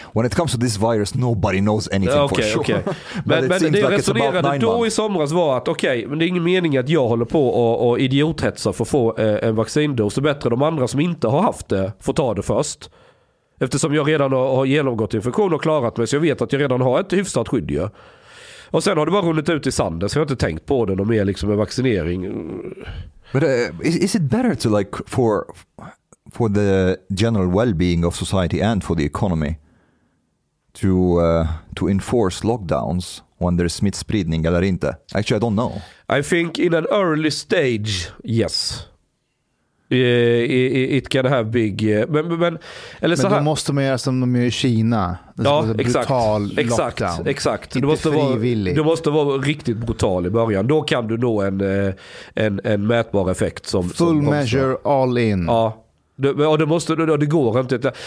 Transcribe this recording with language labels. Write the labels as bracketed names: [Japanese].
[English] When it comes to this virus, nobody knows anything okay, for sure. Okay. [Swedish] men det like resonerade då months. I somras var att okej, okay, men det är ingen mening att jag håller på och idiothetsar för att få en vaccindos. Det är bättre de andra som inte har haft det får ta det först. Eftersom jag redan har genomgått infektion och klarat mig, så jag vet att jag redan har ett hyfsat skydd. Ja. Och sen har det bara runnit ut i sanden, så jag har inte tänkt på det mer liksom med vaccinering. [English] But is it better to like for the general well-being of society and for the economy to enforce lockdowns when there's [Swedish] smittspridning eller inte? [English] Actually, I don't know. I think in an early stage, yes. It can have big... Men [Swedish] då måste man göra som de gör i Kina. Det, ja, brutal, exakt, lockdown. Exakt. Inte frivilligt. Det måste vara riktigt brutal i början. Då kan du nå en mätbar effekt. Som, [English] full [Swedish] som [English] measure, all in. [Swedish] Ja, det går inte.